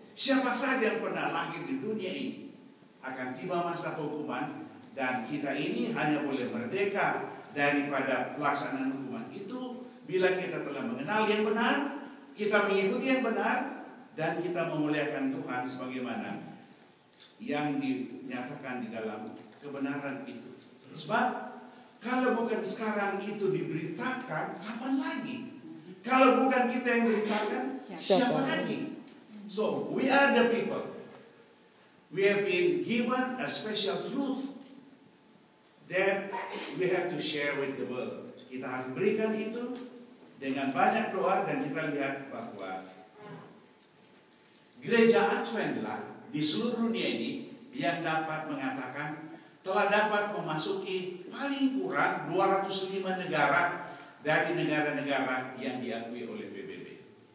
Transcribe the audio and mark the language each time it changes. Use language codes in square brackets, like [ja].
[id] Siapa saja yang pernah lahir di dunia ini akan tiba masa hukuman, dan kita ini hanya boleh merdeka daripada pelaksanaan hukuman itu bila kita telah mengenal yang benar, kita mengikuti yang benar, dan kita memuliakan Tuhan sebagaimana yang dinyatakan di dalam kebenaran itu. Sebab kalau bukan sekarang itu diberitakan, kapan lagi? Kalau bukan kita yang beritakan, siapa lagi? [en] So we are the people. We have been given a special truth that we have to share with the world. [id] Kita harus berikan itu dengan banyak doa, dan kita lihat bahwa Gereja Advent lah di seluruh dunia ini yang dapat mengatakan telah dapat memasuki paling kurang 205 negara dari negara-negara yang diakui oleh PBB.